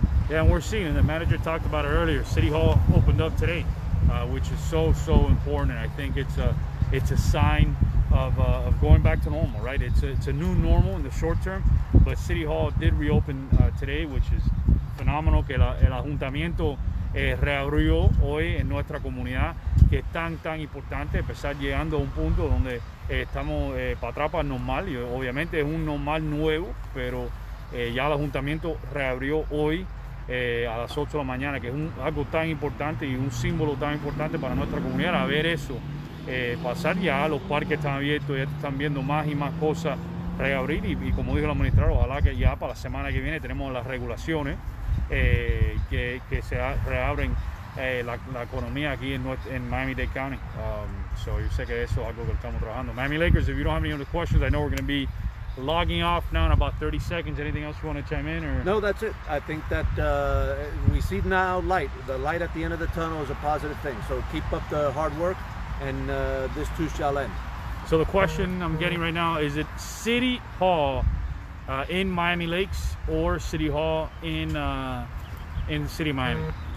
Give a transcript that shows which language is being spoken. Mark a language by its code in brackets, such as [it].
[en] Yeah, and we're seeing, and the manager talked about it earlier, City Hall opened up today, which is so, so important. And I think it's a sign of going back to normal, right? It's a new normal in the short term, but City Hall did reopen today, which is phenomenal. [es] Que el ayuntamiento reabrió hoy en nuestra comunidad, que es tan, tan importante, empezar llegando a un punto donde estamos para atrás, para normal. Y obviamente es un normal nuevo, pero ya el ayuntamiento reabrió hoy a las 8 de la mañana, que es algo tan importante y un símbolo tan importante para nuestra comunidad. A ver eso pasar, ya los parques están abiertos, ya están viendo más y más cosas reabrir, y como dijo el administrador, ojalá que ya para la semana que viene tenemos las regulaciones que se reabren la economía aquí en Miami-Dade County. So yo sé que eso es algo que estamos trabajando. [en] Miami Lakers, if you don't have any other questions, I know we're going to be logging off now in about 30 seconds. Anything else you want to chime in? No, that's it. I think that we see now light. The light at the end of the tunnel is a positive thing. So keep up the hard work, and this too shall end. So the question I'm getting right now, is it City Hall in Miami Lakes or City Hall in the city of Miami?